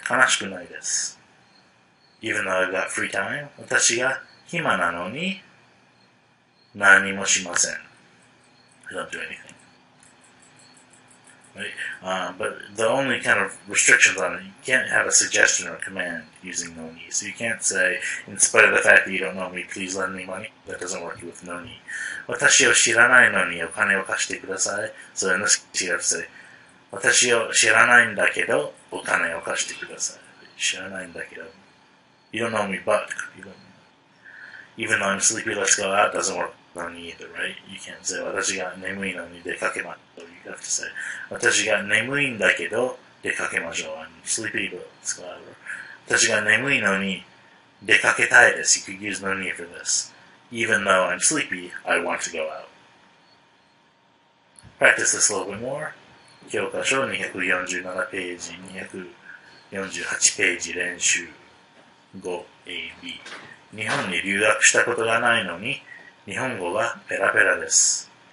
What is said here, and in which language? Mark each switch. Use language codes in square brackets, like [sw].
[ja] Kanashiku nai desu. [en] Even though I've got free time, [ja] 私が暇なのに何もしません。 [en] I don't do anything. Right? But the only kind of restrictions on it, you can't have a suggestion or a command using noni. So you can't say, in spite of the fact that you don't know me, please lend me money. That doesn't work with noni. [ja] 私を知らないのにお金を貸してください。 [en] So in this case, you have to say, [ja] 私を知らないんだけどお金を貸してください。知らないんだけど。 [en] You don't know me, but even though I'm sleepy, let's go out. Doesn't work on me either, right? You can't say, [ja] 私が眠いのに出かけましょう。 [en] You have to say, [ja] 私が眠いんだけど出かけましょう。 [en] I'm sleepy, but let's go out. Or, [ja] 私が眠いのに出かけたいです。 [en] You could use noni for this. Even though I'm sleepy, I want to go out. Practice this a little bit more. [ja] 教科書247ページ、248ページ練習。 5AB 日本に留学したことがないのに日本語はペラペラです。